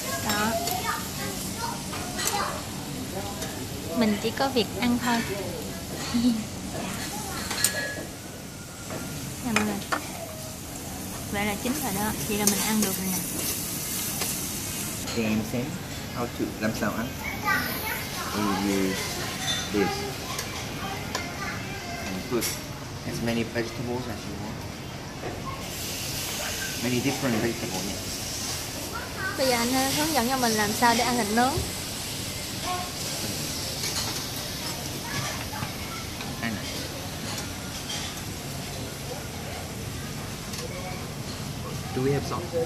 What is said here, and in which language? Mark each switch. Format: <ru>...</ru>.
<vi>Đó. Mình chỉ có việc ăn thôi. Vậy là chín rồi đó, vậy là mình ăn được rồi nè. Để em xem</vi> <en>how to</en> <vi>làm sao ăn.</vi> <en>We use this and put as many vegetables as you want. Many different vegetables. Yeah.</en> <vi>Bây giờ anh hướng dẫn cho mình làm sao để ăn thịt nướng.</vi> <en>Do we have salt?</en>